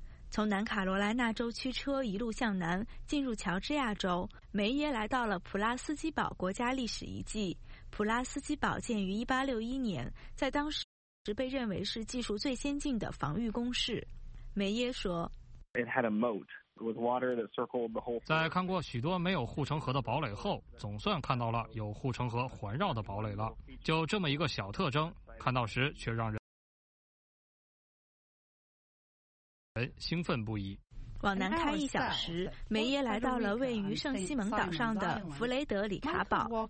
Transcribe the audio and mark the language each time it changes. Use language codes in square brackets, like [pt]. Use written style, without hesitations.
[zh] 从南卡罗来纳州驱车一路向南，进入乔治亚州，梅耶来到了普拉斯基堡国家历史遗迹。普拉斯基堡建于1861年，在当时被认为是技术最先进的防御工事。梅耶说， [en] It had a moat with water that circled the whole. [zh] 在看过许多没有护城河的堡垒后，总算看到了有护城河环绕的堡垒了。就这么一个小特征，看到时却让人兴奋不已。往南开一小时，梅耶来到了位于圣西蒙岛上的弗雷德里卡堡。